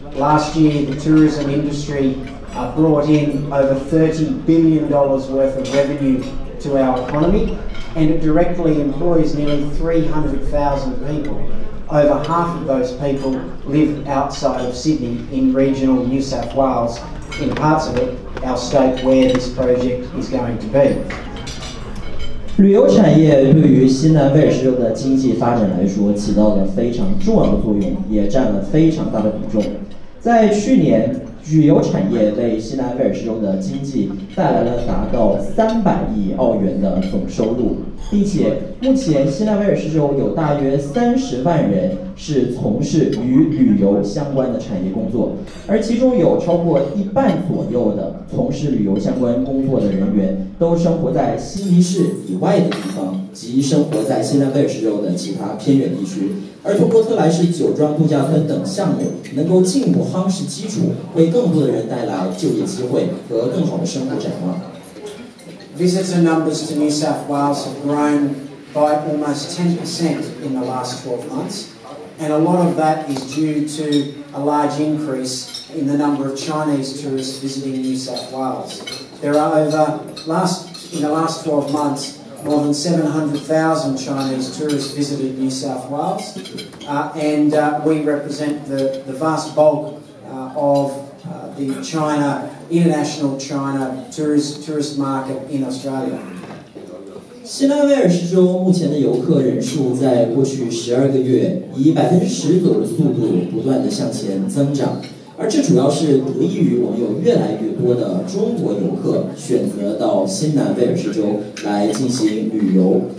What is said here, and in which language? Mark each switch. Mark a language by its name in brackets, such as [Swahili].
[English] Last year, the tourism industry brought in over $30 billion worth of revenue to our economy, and it directly employs nearly 300,000 people. Over half of those people live outside of Sydney in regional New South Wales, in parts of it, our state where this project is going to be. [Chinese] 旅游产业对于新南威尔士州的经济发展来说起到了非常重要的作用，也占了非常大的比重。在去年，旅游产业为新南威尔士州的经济带来了达到300亿澳元的总收入，并且目前新南威尔士州有大约30万人是从事与旅游相关的产业工作，而其中有超过一半左右的从事旅游相关工作的人员都生活在悉尼市以外的地方，即生活在新南威尔士州的其他偏远地区。而通过特莱士酒庄度假村等项目，能够进一步夯实基础，为更多的人带来就业机会和更好的生活展望。 [English] Visitor numbers to New South Wales have grown by almost 10% in the last 12 months, and a lot of that is due to a large increase in the number of Chinese tourists visiting New South Wales. There are in the last 12 months. More than 700,000 Chinese tourists visited New South Wales, we represent the vast bulk of the China, international China tourist market in Australia. [Chinese] 新南威尔士州目前的游客人数在过去12个月以10%的速度不断的向前增长，而这主要是得益于我们有越来越多的中国游客选择到新南威尔士州来进行旅游。